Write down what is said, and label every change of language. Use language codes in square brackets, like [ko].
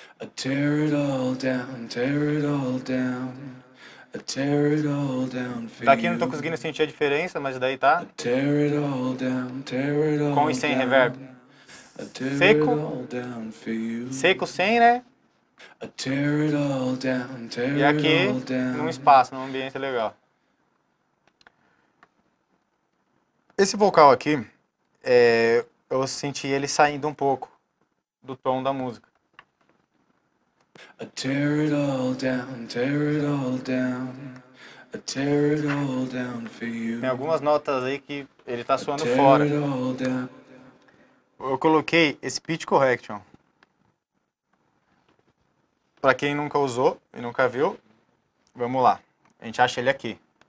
[en] I tear it all down, tear it all down. I tear it all down for you. [pt] Daqui não tô conseguindo sentir a diferença, mas daí tá. [en] I tear it all down, tear it all. [pt] Com e sem reverb. Seco. Seco sem, né? [en] I tear it all down, tear it all down. [pt] E aqui, num espaço, num ambiente legal. Esse vocal aqui é... eu senti ele saindo um pouco do tom da música. [en] I tear it all down, tear it all down. I tear it all down for you. [pt] Tem algumas notas aí que ele tá soando fora. [en] I tear it all down. [pt] Eu coloquei esse pitch correction. Pra quem nunca usou e nunca viu, vamos lá. A gente acha ele aqui.